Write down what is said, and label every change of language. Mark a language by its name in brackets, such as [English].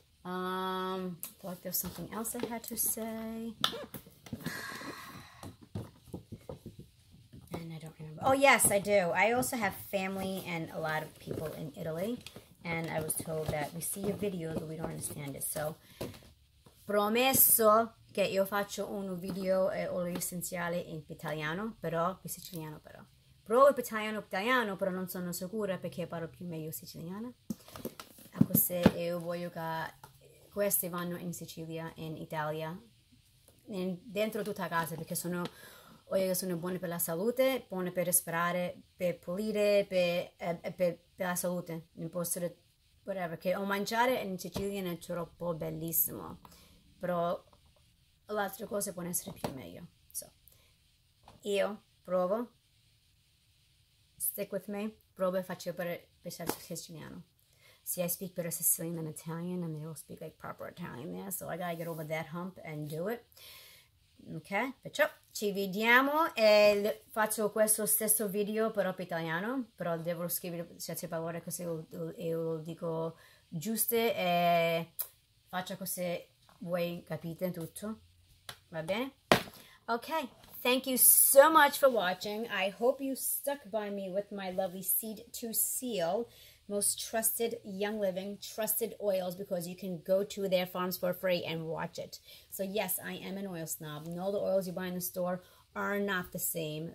[English] Feel like there's something else I had to say. And I don't remember. Oh, yes, I do. I also have family and a lot of people in Italy, and I was told that we see your videos, but we don't understand it. [Italian] So, promesso che io faccio un video e olio essenziale in italiano, però, in siciliano, però. Provo italiano, però non sono sicura perché parlo più meglio siciliana. Ecco, se io voglio che questi vanno in Sicilia, in Italia, dentro tutta casa, perché sono. Oio sono buone per la salute, buone per respirare, per pulire, per la salute. Non posso dire, [English] whatever. [Italian] Che o mangiare in Sicilia è troppo bellissimo, però le altre cose possono essere più meglio. Io provo, [English] stick with me, [Italian] provo e faccio per essere siciliano. [English] See, I speak better Sicilian than Italian, and they all speak like proper Italian there, so I gotta get over that hump and do it. [Italian] Ok, perciò ci vediamo e faccio questo stesso video però per italiano, però devo scrivere certe parole così io lo dico giuste e faccio così voi capite tutto. Va bene? [English] Ok, thank you so much for watching. I hope you stuck by me with my lovely seed to seal. Most trusted Young Living trusted oils because you can go to their farms for free and watch it. So yes, I am an oil snob. No, the oils you buy in the store are not the same.